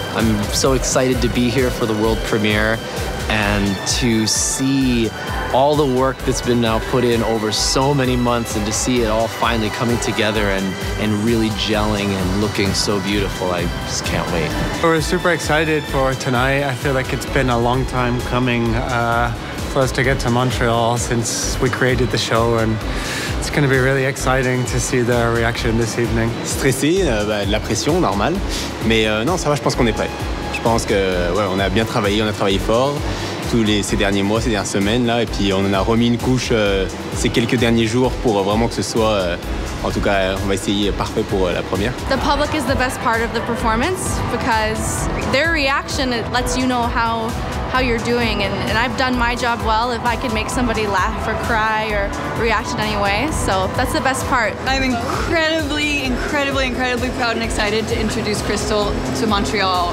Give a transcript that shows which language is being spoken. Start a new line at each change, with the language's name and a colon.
English: I'm so excited to be here for the world premiere and to see all the work that's been now put in over so many months and to see it all finally coming together and really gelling and looking so beautiful. I just can't wait. We're super excited for tonight. I feel like it's been a long time coming for us to get to Montreal since we created the show, and it's going to be really exciting to see the reaction this evening.
French: Stressé, de la pression, normal. Mais non, ça va, je pense qu'on est prêt. Je pense que ouais, on a bien travaillé, on a travaillé fort tous les ces derniers mois, ces dernières semaines là, et puis on en a remis une couche ces quelques derniers jours pour vraiment que ce soit en tout cas, on va essayer parfait pour la première.
English: The public is the best part of the performance because their reaction it lets you know how you're doing, and I've done my job well if I can make somebody laugh or cry or react in any way, so that's the best part. I'm incredibly, incredibly, incredibly proud and excited to introduce Crystal to Montreal.